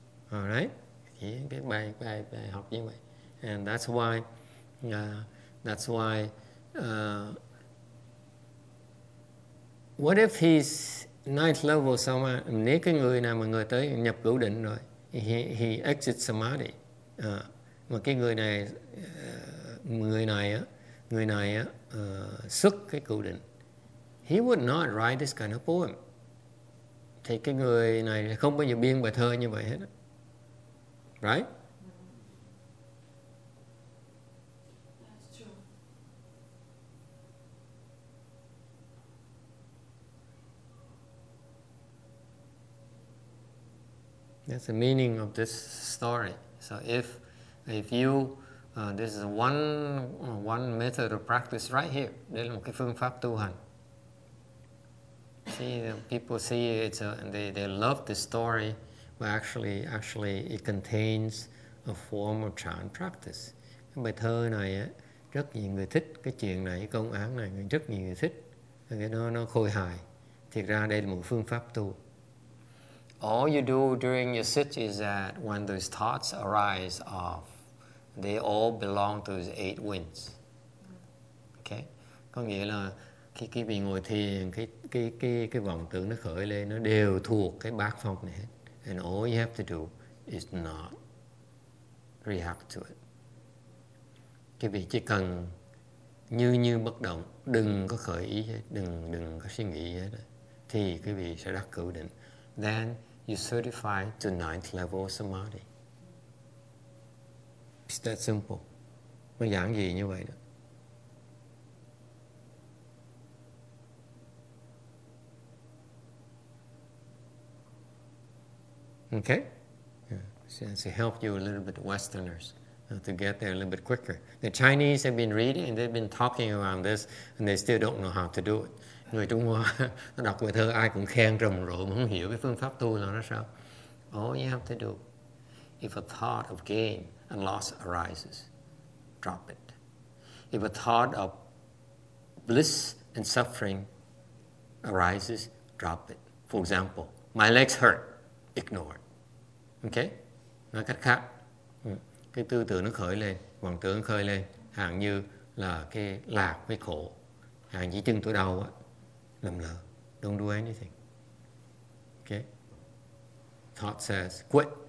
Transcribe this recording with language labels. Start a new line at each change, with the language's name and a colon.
English: Alright?
Vietnamese: Cái bài học như vậy.
English: And that's why, what if he's ninth level samadhi?
Vietnamese: Nếu cái người nào mà người tới nhập cửu định rồi,
English: he exits samadhi.
Vietnamese: Mà cái người này, xuất cái cửu định.
English: He would not write this kind of poem.
Vietnamese: Thì cái người này không bao giờ biên bài thơ như vậy hết.
English: Right? That's the meaning of this story. So this is one method of practice right here.
Vietnamese: Đây là một cái phương pháp tu hành.
English: See, people see it and they love this story, but actually it contains a form of chan practice.
Vietnamese: Cái bài thơ này rất nhiều người thích, cái chuyện này, cái công án này rất nhiều người thích. Nó khôi hài. Thực ra đây là một phương pháp tu.
English: All you do during your sit is that when those thoughts arise off, they all belong to those eight winds. Okay?
Vietnamese: Có nghĩa là khi quý vị ngồi thiền, cái vọng tưởng nó khởi lên, nó đều thuộc cái bát phong này hết.
English: And all you have to do is not react to it.
Vietnamese: Quý vị chỉ cần như bất động, đừng có khởi ý hết, đừng có suy nghĩ hết. Thì quý vị sẽ đắc cửu định.
English: Then you certify to ninth level samadhi. It's that simple.
Vietnamese: Nó giảng gì như vậy đó.
English: Okay? Yeah. So it helped you a little bit, Westerners, to get there a little bit quicker. The Chinese have been reading and they've been talking around this and they still don't know how to do it.
Vietnamese: Người Trung Hoa nó đọc bài thơ ai cũng khen rầm rộ mà không hiểu cái phương pháp tu là nó sao.
English: All you have to do, if a thought of gain and loss arises, drop it. If a thought of bliss and suffering arises, drop it. For example, my legs hurt, ignore it. Okay?
Vietnamese: Nói cách khác, cái tư tưởng nó khởi lên, vọng tưởng khởi lên, hạng như là cái lạc với khổ, hạng như chân tôi đau á, lầm lỡ.
English: Don't do anything. Okay? Thought says, quit.